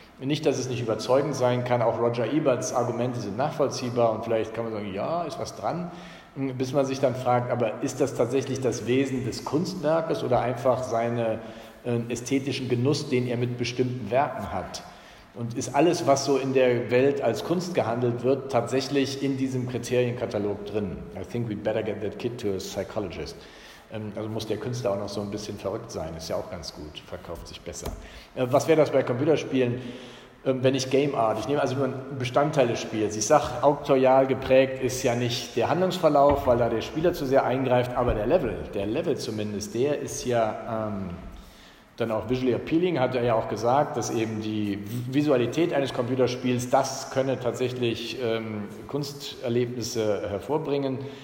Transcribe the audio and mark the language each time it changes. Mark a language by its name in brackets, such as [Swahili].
[German] Nicht, dass es nicht überzeugend sein kann. Auch Roger Eberts Argumente sind nachvollziehbar und vielleicht kann man sagen, ja, ist was dran. Bis man sich dann fragt, aber ist das tatsächlich das Wesen des Kunstwerkes oder einfach seinen ästhetischen Genuss, den er mit bestimmten Werken hat? Und ist alles, was so in der Welt als Kunst gehandelt wird, tatsächlich in diesem Kriterienkatalog drin? [English] I think we'd better get that kid to a psychologist. [German] Also muss der Künstler auch noch so ein bisschen verrückt sein, ist ja auch ganz gut, verkauft sich besser. Was wäre das bei Computerspielen? Wenn ich Game Art, ich nehme also nur einen Bestandteil des Spiels, ich sage, autorial geprägt ist ja nicht der Handlungsverlauf, weil da der Spieler zu sehr eingreift, aber der Level zumindest, der ist ja dann auch [English] visually appealing, [German] hat er ja auch gesagt, dass eben die Visualität eines Computerspiels, das könne tatsächlich Kunsterlebnisse hervorbringen.